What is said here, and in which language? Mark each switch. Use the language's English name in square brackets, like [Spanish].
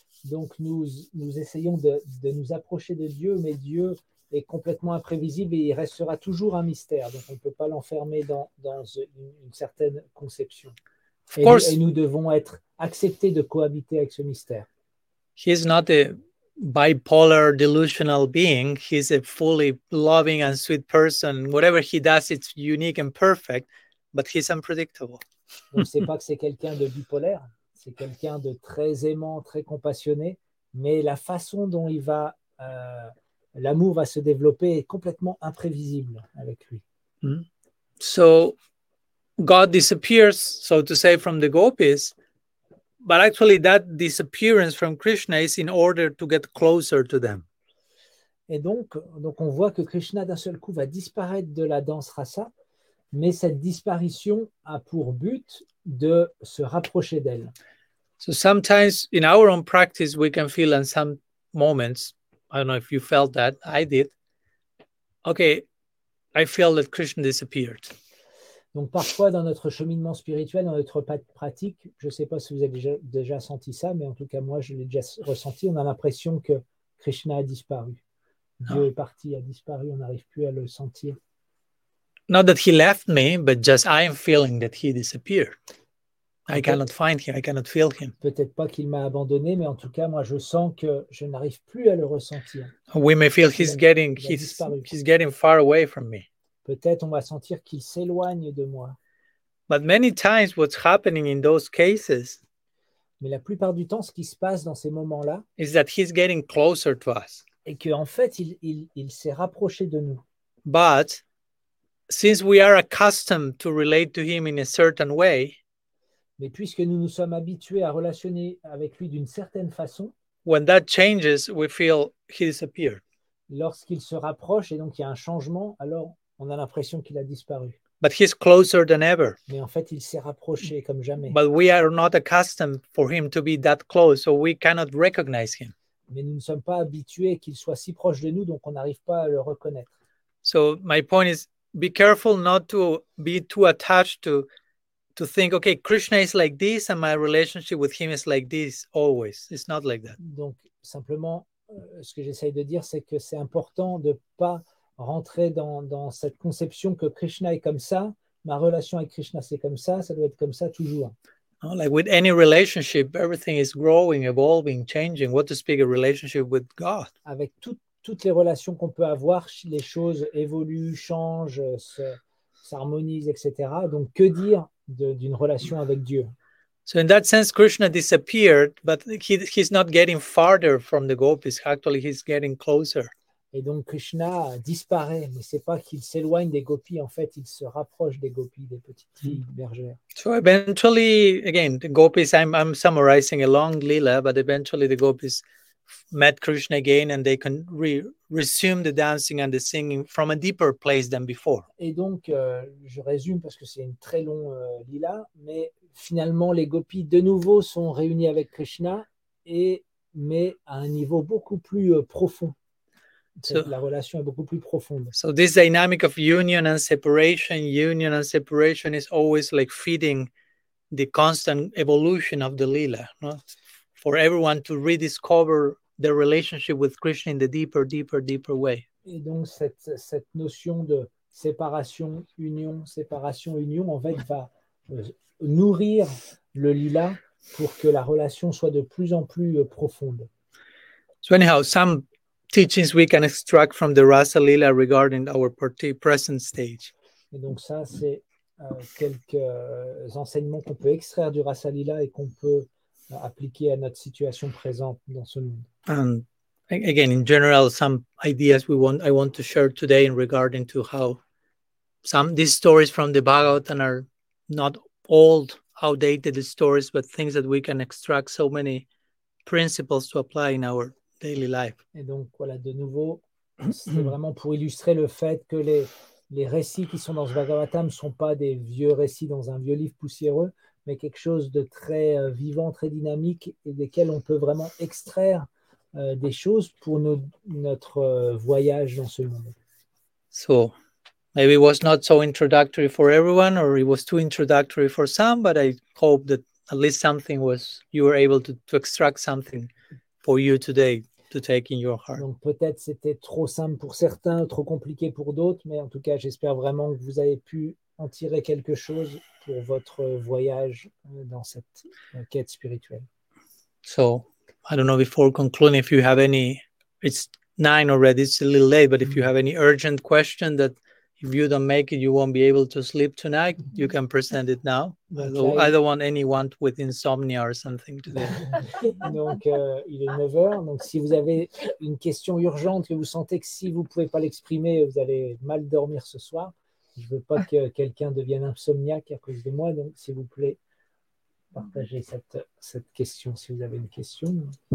[French] Donc nous essayons de nous approcher de Dieu, mais Dieu est complètement imprévisible et il restera toujours un mystère. Donc on ne peut pas l'enfermer dans une certaine conception. Et nous devons être acceptés de cohabiter avec ce mystère. [English] He is not a bipolar delusional being. He's a fully loving and sweet person. Whatever he does, it's unique and perfect, but he's unpredictable. [French] Donc c'est pas que c'est quelqu'un de bipolaire. C'est quelqu'un de très aimant, très compassionné. Mais la façon dont il va l'amour va se développer complètement imprévisible avec lui. [English] So God disappears, so to say, from the gopis, but actually that disappearance from Krishna is in order to get closer to them. [French] Et donc on voit que Krishna d'un seul coup va disparaître de la danse rasa, mais cette disparition a pour but de se rapprocher d'elle. [English] So sometimes in our own practice we can feel in some moments, I don't know if you felt that, I did. Okay, I feel that Krishna disappeared. [French] Donc parfois dans notre cheminement spirituel, dans notre pratique, je ne sais pas si vous avez déjà senti ça, mais en tout cas moi je l'ai déjà ressenti, on a l'impression que Krishna a disparu. Dieu est parti, a disparu, on n'arrive plus à le sentir. [English] Not that he left me, but just I am feeling that he disappeared. I cannot find him, I cannot feel him. [French] Peut-être pas qu'il m'a abandonné, mais en tout cas, moi, je sens que je n'arrive plus à le ressentir. [English] We may feel he's getting far away from me. [French] Peut-être on va sentir qu'il s'éloigne de moi. [English] But many times what's happening in those cases, [French] mais la plupart du temps, ce qui se passe dans ces moments-là, [English] is that he's getting closer to us. [French] Et qu'en fait, il s'est rapproché de nous. [English] But since we are accustomed to relate to him in a certain way, [French] mais puisque nous nous sommes habitués à relationner avec lui d'une certaine façon, [English] when that changes, we feel he disappeared. [French] Lorsqu'il se rapproche et donc il y a un changement, alors on a l'impression qu'il a disparu. [English] But he's closer than ever. [French] Mais en fait, il s'est rapproché comme jamais. [English] But we are not accustomed for him to be that close, so we cannot recognize him. [French] Mais nous ne sommes pas habitués qu'il soit si proche de nous, donc on n'arrive pas à le reconnaître. [English] So my point is, be careful not to be too attached to think, okay, Krishna is like this and my relationship with him is like this always. It's not like that. [French] Donc, simplement, ce que j'essaye de dire, c'est que c'est important de pas rentrer dans cette conception que Krishna est comme ça, ma relation avec Krishna c'est comme ça, ça doit être comme ça toujours. [English] Like with any relationship, everything is growing, evolving, changing. What to speak a relationship with God? [French] Avec toutes les relations qu'on peut avoir, les choses évoluent, changent, s'harmonisent, etc. Donc, que dire d'une relation avec Dieu? [English] So in that sense, Krishna disappeared, but he's not getting farther from the gopis. Actually, he's getting closer. [French] Et donc, Krishna disparaît, mais ce n'est pas qu'il s'éloigne des gopis. En fait, il se rapproche des gopis, des petites filles bergères. [English] So eventually, again, the gopis, I'm summarizing a long lila, but eventually the gopis met Krishna again and they can resume the dancing and the singing from a deeper place than before. [French] Et donc, je résume parce que c'est une très longue lila, mais finalement, les gopis de nouveau sont réunis avec Krishna, mais à un niveau beaucoup plus profond. So, la relation est beaucoup plus profonde. [English] So this dynamic of union and separation is always like feeding the constant evolution of the lila, no? For everyone to rediscover their relationship with Krishna in the deeper, deeper, deeper way. [French] Et donc cette notion de séparation, union, en fait, va nourrir le lila pour que la relation soit de plus en plus profonde. [English] So anyhow, some teachings we can extract from the Rasa Lila regarding our present stage. [French] Et donc ça, c'est quelques enseignements qu'on peut extraire du Rasa Lila et qu'on peut appliquer à notre situation présente dans ce monde. [English] And again, in general, some ideas I want to share today in regarding to how some these stories from the Bhagavatam are not old, outdated stories, but things that we can extract so many principles to apply in our daily life. [French] Et donc voilà, de nouveau, c'est vraiment pour illustrer le fait que les récits qui sont dans ce Bhagavatam sont pas des vieux récits dans un vieux livre poussiéreux, mais quelque chose de très vivant, très dynamique, et desquels on peut vraiment extraire des choses pour notre voyage dans ce monde. [English] So, maybe it was not so introductory for everyone, or it was too introductory for some, but I hope that at least something was, you were able to extract something for you today to take in your heart. [French] Donc peut-être c'était trop simple pour certains, trop compliqué pour d'autres, mais en tout cas, j'espère vraiment que vous avez pu en tirer quelque chose pour votre voyage dans cette quête spirituelle. [English] So, I don't know, before concluding, if you have any, it's 9 already, it's a little late, but if you have any urgent question that If you don't make it, you won't be able to sleep tonight. You can present it now. Okay. I don't want anyone with insomnia or something today. [French] Donc, il est 9h. Donc, si vous avez une question urgente, que vous sentez que si vous ne pouvez pas l'exprimer, vous allez mal dormir ce soir. Je ne veux pas que quelqu'un devienne insomniaque à cause de moi. Donc, s'il vous plaît, partagez cette question si vous avez une question.